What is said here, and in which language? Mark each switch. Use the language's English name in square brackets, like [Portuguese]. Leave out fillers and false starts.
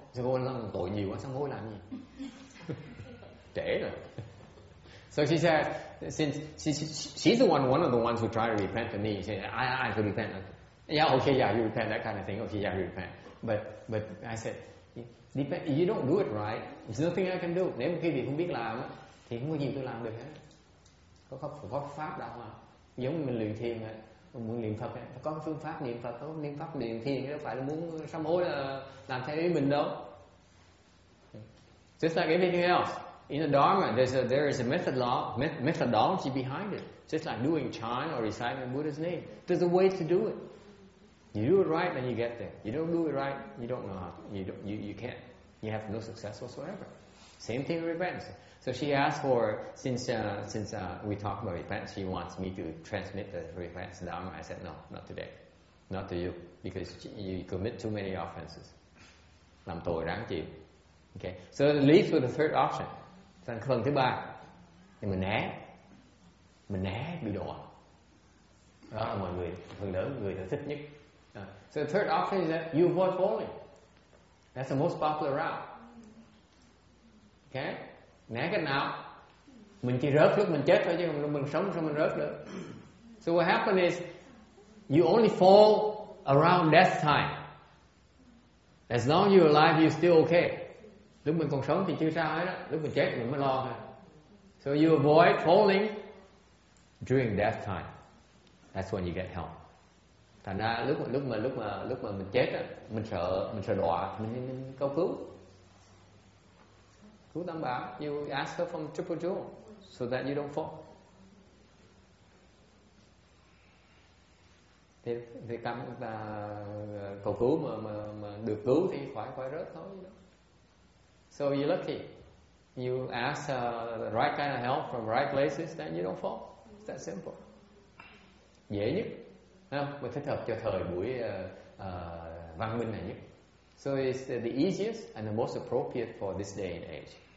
[Vietnamese] Sám hối là tội nhiều quá, sám hối làm gì? Trễ rồi. [English] So she said, since she's one of the ones who tried to repent to me, she said, I could repent. Yeah, okay, yeah, you repent, that kind of thing. Okay, yeah, you repent. But I said, depend, you don't do it right, there's nothing I can do. [Vietnamese] Nếu một khi vị không biết làm, thì không có gì tôi làm được hết. Có pháp đâu mà. Giống mình luyện thiền, muốn niệm Phật, có phương pháp niệm Phật, có niệm pháp niệm thiền, đâu phải là muốn sám hối là làm theo ý mình đâu. [English] Just like everything else. In the Dharma, there is a methodology behind it. Just like doing chant or reciting the Buddha's name. There's a way to do it. You do it right, then you get there. You don't do it right, you don't know how. You can't. You have no success whatsoever. Same thing with repentance. So she asked for, since we talked about repentance, she wants me to transmit the repentance Dharma. I said, no, not today. Not to you. Because you commit too many offenses. [Vietnamese] Làm tội đáng chịu. [English] Okay. So it leaves with the third option. [Vietnamese] Phần thứ ba, thì mình né bị đọa. Đó là mọi người, phần lớn người thích nhất. [English] So the third option is that you avoid falling. That's the most popular route. Okay? [Vietnamese] Né cái nào? Mình chỉ rớt lúc mình chết thôi, chứ mình sống sao mình rớt được. [English] So what happened is, you only fall around death time. As long as you're alive, you're still okay. [Vietnamese] Lúc mình còn sống thì chưa sao hết á, lúc mình chết mình mới lo thôi. [English] So you avoid falling during death time. That's when you get help. [Vietnamese] Thành ra lúc mà mình chết á, mình sợ đọa, mình cầu cứu. Cứu Tam Bảo, [English] you ask her from Triple Jewel so that you don't fall. [Vietnamese] Thì cảm là cầu cứu mà được cứu thì khỏi rớt thôi. [English] So you're lucky. You ask the right kind of help from the right places, then you don't fall. It's that simple. [Vietnamese] Dễ nhất. Mình thích hợp cho thời buổi văn minh này nhất. [English] So it's the easiest and the most appropriate for this day and age.